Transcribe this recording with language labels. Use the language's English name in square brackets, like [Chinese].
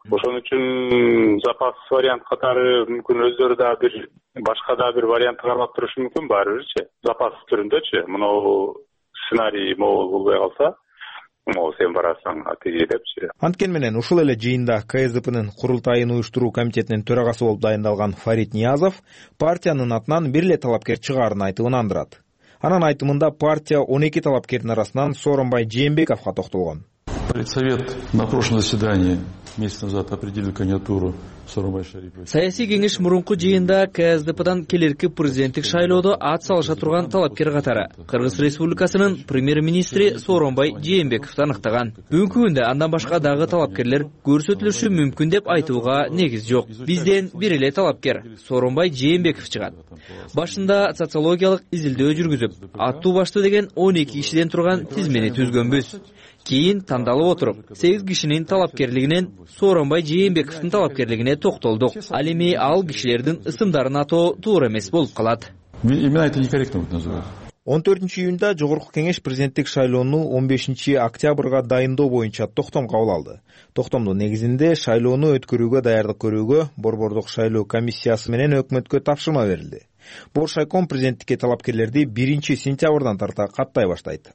[Kyrgyz] Ошон үчүн запас вариант катары мүмкүн өздөрү да бир башка да бир варианты карап туруушу мүмкүн, баары бирчи запас түрүндөчү, муну сценарий могул болбой калса сен барасың тиги депчи. Анткени менен ушул эле жыйында КСДПнын курултайын уюштуруу комитетинин төрагасы болуп дайындалган Фарид Ниязов партиянын атынан бир эле талапкер чыгаарын айтып ынандырат. Анын айтымында партия 12 талапкердин арасынан Сооронбай Жээнбековго токтолгон. [Russian] Совет на прошлом заседании месяц назад определил кандидатуру Сооронбай Шарипович. [Kyrgyz] Саясий кеңеш мурунку жыйында КСДПдан келерки президенттик шайлоодо ат салыша турган талапкер катары Кыргыз Республикасынын премьер-министри Сооронбай Жээнбековду аныктаган. Бүгүнкү күндө андан башка дагы талапкерлер көрсөтүлүшү мүмкүн деп айтууга негиз жок. Бизден бир эле талапкер Сооронбай Жээнбеков чыгат. Башында социологиялык изилдөө жүргүзүп, аттуу башты деген 12 кишиден турган тизмени түзгөнбүз. Кийин тандалып отуруп 8 кишинин талапкерлигинен Сооронбай Жээнбековдун талапкерлигине токтолдук. Ал эми ал кишилердин ысымдарын атоо туура эмес болуп калат. [Russian] Именно это некорректно вот называют. [Kyrgyz] 14 июнда Жогорку Кеңеш президенттик шайлоону 15 октябрга дайындоо боюнча токтом кабыл алды. Токтомдун негизинде шайлоону өткөрүүгө даярдык көрүүгө борбордук шайлоо комиссиясы менен өкмөткө тапшырма берилди. Боршайком президенттикке талапкерлерди 1 сентябрдан тарта каттай баштайт.